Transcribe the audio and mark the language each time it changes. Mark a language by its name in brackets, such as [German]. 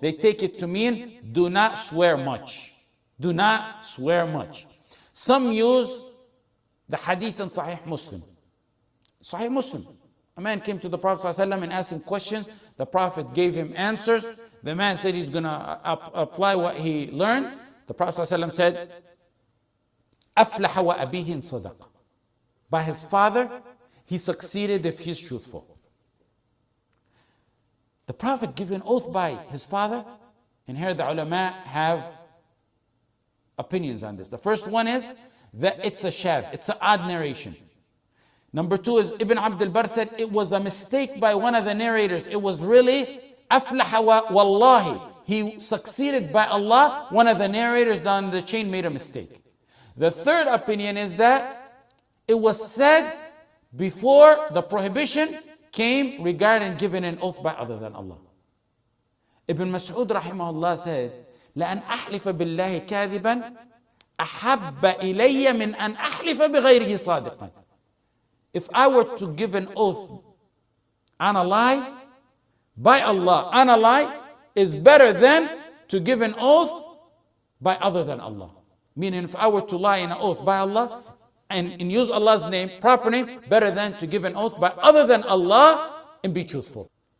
[English] They take it to mean, do not swear much. Do not swear much. Some use the hadith in Sahih Muslim. Sahih Muslim. A man came to the Prophet ﷺ and asked him questions. The Prophet gave him answers. The man said he's going to apply what he learned. The Prophet ﷺ said, [Arabic] أَفْلَحَ وَأَبِيهِ صَدَقَ. [English] By his father, he succeeded if he's truthful. The Prophet gave an oath by his father, and here the ulama have opinions on this. The first one is that it's a shadh, it's an odd narration. Number two is Ibn Abd al-Barr said it was a mistake by one of the narrators. It was really [Arabic] أَفْلَحَ وَاللَّهِ. [English] He succeeded by Allah. One of the narrators down the chain made a mistake. The third opinion is that it was said before the prohibition came regarding giving an oath by other than Allah. Ibn Mas'ud rahimahullah said, [Arabic] لَأَنْ أَحْلِفَ بِاللَّهِ كَاذِبًا أَحَبَّ إِلَيَّ مِنْ أَنْ أَحْلِفَ بِغَيْرِهِ صَادِقًا. [English] If I were to give an oath on a lie, by Allah, on a lie, is better than to give an oath by other than Allah. Meaning, if I were to lie in an oath by Allah and use Allah's name, proper name, better than to give an oath by other than Allah and be truthful.